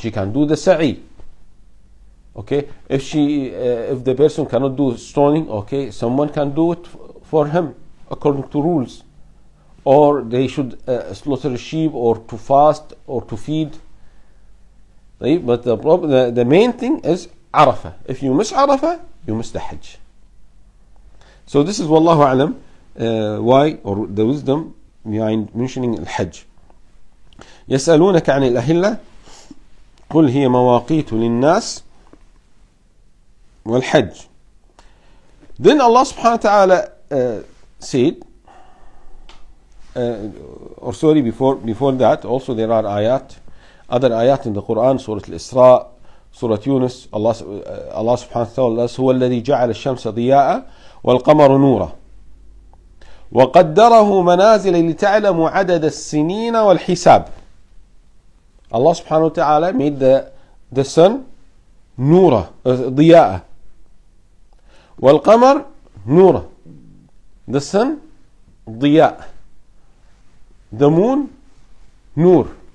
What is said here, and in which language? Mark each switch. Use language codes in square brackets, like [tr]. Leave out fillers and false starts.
[en] She can do the سعي. Okay, if the person cannot do stoning, okay, someone can do it for him according to rules, or they should slaughter a sheep, or to fast, or to feed. طيب, but the problem, the main thing is Arafah. If you miss Arafah, you miss the Hajj. So this is wallahu alam, why or the wisdom behind mentioning al-Hajj. [ar] يسألونك عن الأهلة قل هي مواقيت للناس والحج. [en] Then Allah subhanahu wa ta'ala said, or sorry, before that also there are ayat, other ayat in the Quran, Surah Al-Isra, Surah Yunus. [ar] Allah subhanahu wa ta'ala, هو الذي جعل الشمس ضياء والقمر نورا وقدره منازل لتعلم عدد السنين والحساب. [en] Allah subhanahu wa ta'ala made the sun [ar] نورا ضياء والقمر نورا. [en] The sun ضياء, the moon نور.